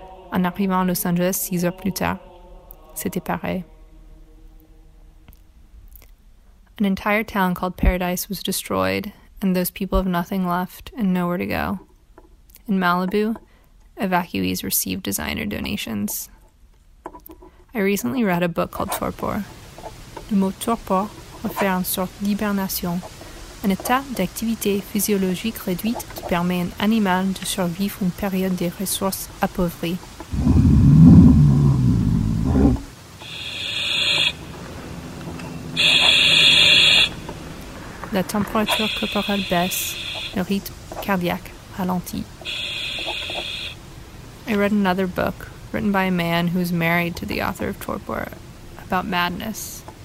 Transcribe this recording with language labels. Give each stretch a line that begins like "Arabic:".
French: En arrivant à Los Angeles 6 heures plus tard, c'était pareil.
English: An entire town called Paradise was destroyed, and those people have nothing left and nowhere to go. In Malibu, evacuees received designer donations. I recently read a book called Torpor.
French: Le mot torpor refait une sorte d'hibernation, un état d'activité physiologique réduite qui permet à un animal de survivre une période de ressources appauvries. La température corporelle baisse, le rythme cardiaque ralentit.
English: I read another book, written by a man who is married to the author of Torpor, about madness.